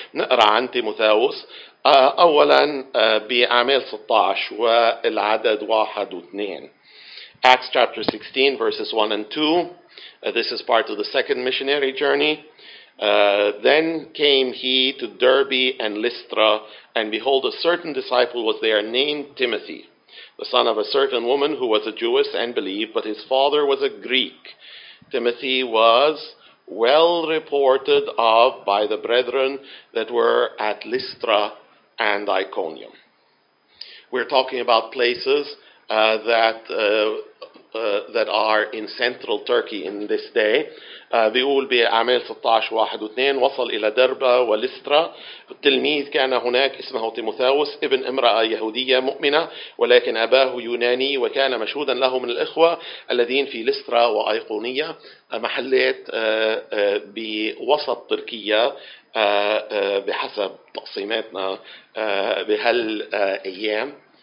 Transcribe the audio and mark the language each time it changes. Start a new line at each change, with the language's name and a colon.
Arabic: نقرأ عن تيموثاوس أولا بأعمال 16 والعدد 1 و 2.
English: Acts chapter 16, verses 1 and 2. This is part of the second missionary journey. Then came he to Derbe and Lystra, and behold, a certain disciple was there named Timothy, the son of a certain woman who was a Jewess and believed, but his father was a Greek. Timothy was well reported of by the brethren that were at Lystra and Iconium. We're talking about places that are in central Turkey in this day.
Arabic: بيقول بأعمال 16:1-2 وصل إلى دربة ولسترا. التلميذ كان هناك اسمه تيموثاوس ابن امرأة يهودية مؤمنة ولكن أباه يوناني وكان مشهودا له من الإخوة الذين في لسترا وأيقونية محلات بوسط تركيا بحسب تقسيماتنا بهالأيام.